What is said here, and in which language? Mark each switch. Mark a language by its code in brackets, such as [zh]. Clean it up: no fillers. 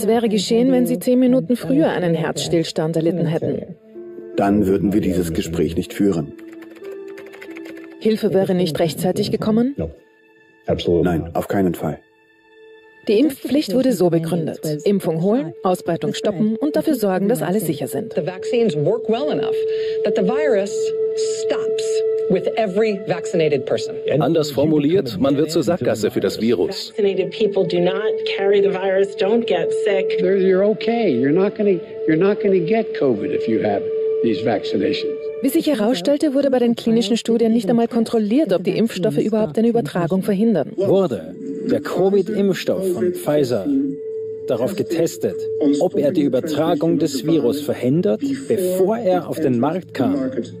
[de] Was wäre geschehen, wenn Sie 10 Minuten früher einen Herzstillstand erlitten hätten? Dann würden wir dieses Gespräch nicht führen. Hilfe wäre nicht rechtzeitig gekommen? Nein, auf keinen Fall. Die Impfpflicht wurde so begründet: Impfung holen, Ausbreitung stoppen und dafür sorgen, dass alle sicher sind. [en] The vaccines work well enough that the virus stops with every vaccinated person. [de] Anders formuliert, man wird zur Sackgasse für das Virus. [en] Vaccinated people do not carry the virus, don't get sick. You're okay. You're not gonna get COVID if you have these vaccinations. [de] Wie sich herausstellte, wurde bei den klinischen Studien nicht einmal kontrolliert, ob die Impfstoffe überhaupt eine Übertragung verhindern. Wurde der Covid-Impfstoff von Pfizer darauf getestet, ob er die Übertragung des Virus verhindert, bevor er auf den Markt kam?